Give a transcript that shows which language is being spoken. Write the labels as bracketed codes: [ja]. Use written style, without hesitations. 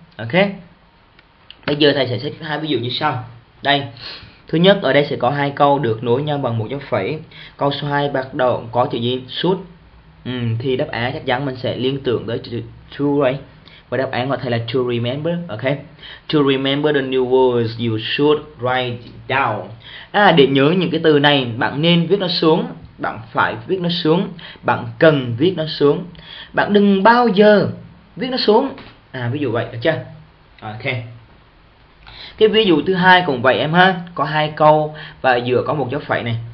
[vi] Ok, bây giờ thầy sẽ xét hai ví dụ như sau. Đây, thứ nhất ở đây sẽ có hai câu được nối nhau bằng một dấu phẩy. Câu số 2 bắt đầu có chữ gì? Should. Thì đáp án chắc chắn mình sẽ liên tưởng tới chữ to, right? Và đáp án của thầy là to remember, ok? [en] To remember the new words you should write down. [vi] À, để nhớ những cái từ này, bạn nên viết nó xuống, bạn phải viết nó xuống, bạn cần viết nó xuống, bạn đừng bao giờ viết nó xuống. À, ví dụ vậy, được chưa? Ok. Cái ví dụ thứ hai cũng vậy em ha. Có hai câu và giữa có một dấu phẩy này.